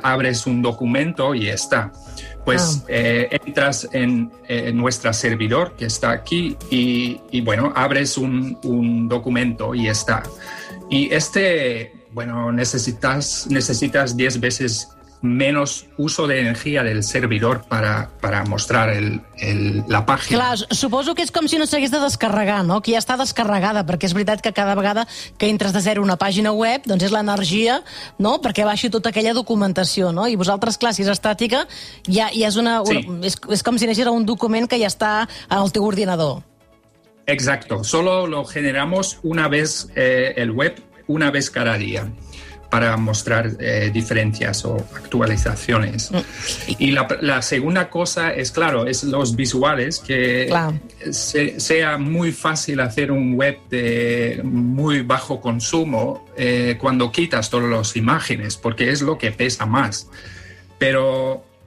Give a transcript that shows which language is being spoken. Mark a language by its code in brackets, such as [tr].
[es] Abres un documento y está. Entras en nuestro servidor que está aquí y bueno, abres un documento y está. Y este, bueno, necesitas 10 veces menos uso de energía del servidor para mostrar la página. [ca] Clar, suposo que és com si no s'hagués de descarregar, no? Que ja està descarregada, perquè és veritat que cada vegada que entres de zero una pàgina web, doncs és l'energia, no?, perquè baixi tota aquella documentació, no? I vosaltres, clar, si és estàtica, ja és una... Sí. És com si anessis a un document que ja està al teu ordinador. [es] Exacto. Solo lo generamos una vez el web, una vez cada día, para mostrar diferencias o actualizaciones. Y la segunda cosa es, claro, es los visuales, que sea muy fácil hacer un web de muy bajo consumo cuando quitas todas las imágenes, porque es lo que pesa más. Pero